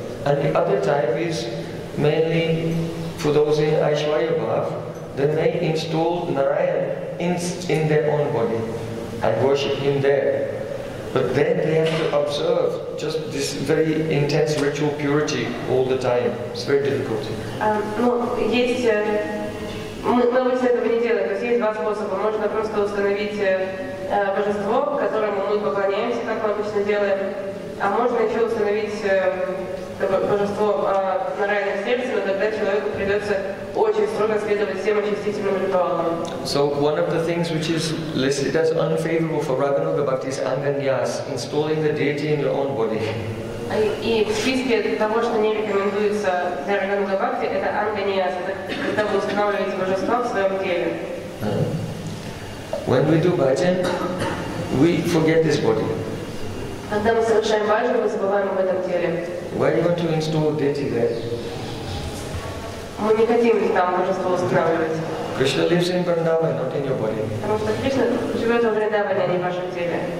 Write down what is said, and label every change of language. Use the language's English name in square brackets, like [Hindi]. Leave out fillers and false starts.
[English] And the other type is mainly for those in Aishwarya Bhav, then they install Narayan in their own body and worship him there. But then they have to observe just this very intense ritual purity all the time. It's very difficult. [Russian] Мы обычно этого не делаем. То есть есть два способа. Можно просто установить божество, которому мы поклоняемся, как мы обычно делаем. А можно еще установить божество на райном сердце, но тогда человеку придется очень строго следовать всем очистительным ритуалам. [English] So one of the things which is listed as unfavorable for Raghunatha Bhakti is Anganyas, installing the deity in your own body. [Russian] И в списке того, что не рекомендуется для Раганатха Бхакти, это Анганьяс, когда вы устанавливаете божество в своем теле. [English] When we do bhajan, we forget this body. [Russian] Когда мы совершаем бхаджан, мы забываем об этом теле. [English] Why do you want to install deity there? [Russian] Мы не хотим там божество устанавливать. [English] Krishna lives in Vrindavan, not in your body. [Russian] Потому что Кришна живет в Вриндаване, а не в вашем теле.